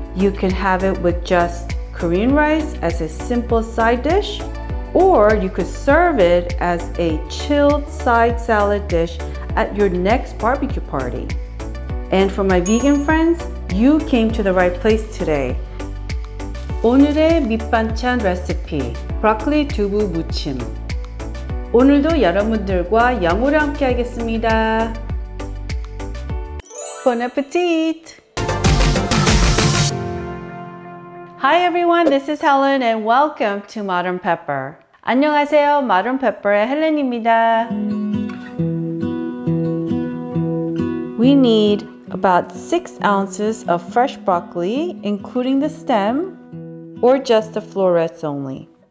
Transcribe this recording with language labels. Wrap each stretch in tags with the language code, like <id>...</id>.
<en>You can have it with just Korean rice as a simple side dish, or you could serve it as a chilled side salad dish at your next barbecue party. And for my vegan friends, you came to the right place today.</en> <ko>오늘의 밑반찬 레시피, 브로콜리 두부 무침. 오늘도 여러분들과 영어로 함께 하겠습니다.</ko> <fr>Bon appetit!</fr> <en>Hi everyone, this is Helen and welcome to Modern Pepper.</en> <ko>안녕하세요, Modern Pepper의 헬렌입니다.</ko> <en>We need about 6 ounces of fresh broccoli, including the stem, or just the florets only.</en>